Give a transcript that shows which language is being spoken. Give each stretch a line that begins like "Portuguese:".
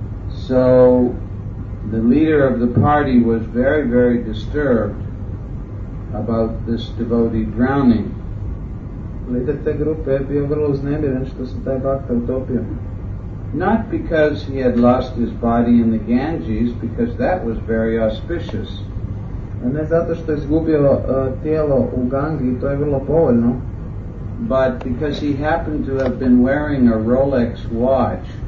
English: So the leader of the party was very, very disturbed about this devotee drowning.
Croatian: Lider te grupe je bio vrlo uznemiren što se taj bhakta utopio.
English: Not because he had lost his body in the Ganges, because that was very auspicious.
Croatian: Ne zato što je izgubio tijelo u Gangi, to je vrlo povoljno.
English: But because he happened to have been wearing a Rolex watch.